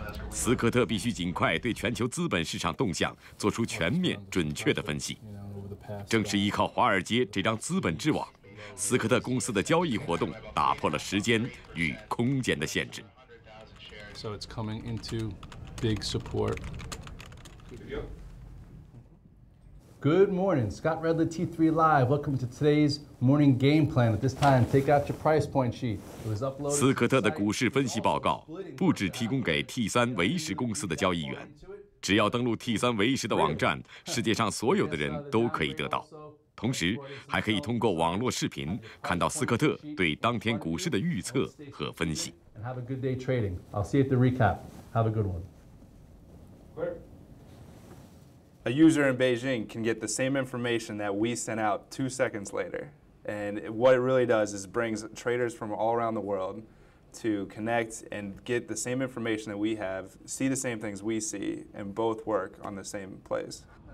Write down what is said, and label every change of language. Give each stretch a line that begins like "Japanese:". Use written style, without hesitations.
Chinese: 斯科特必须尽快对全球资本市场动向做出全面准确的分析。正是依靠华尔街这张资本之网，斯科特公司的交易活动打破了时间与空间的限制。
English: So it's coming into big support. Good morning, Scott Redley, T3 Live. Welcome to today's morning game plan. At this time, take out your price point sheet. It was uploaded.
Chinese: 斯科特的股市分析报告不只提供给 T3 维石公司的交易员，只要登录 T3 维石的网站，世界上所有的人都可以得到。同时，还可以通过网络视频看到斯科特对当天股市的预测和分析。
English: And have a good day trading. I'll see you at the recap. Have a good one. A user in Beijing can get the same information that we sent out 2 seconds later. And what it really does is brings traders from all around the world to connect and get the same information that we have, see the same things we see, and both work on the same place.